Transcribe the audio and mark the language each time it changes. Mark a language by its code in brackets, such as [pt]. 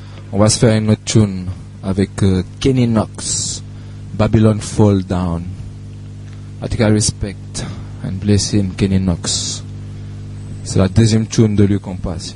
[fr] On va se faire une autre tune avec Kenny Knox, Babylon Fall Down. [en] I think I respect and blessing Kenny Knox. [fr] C'est la deuxième tune de lui qu'on passe.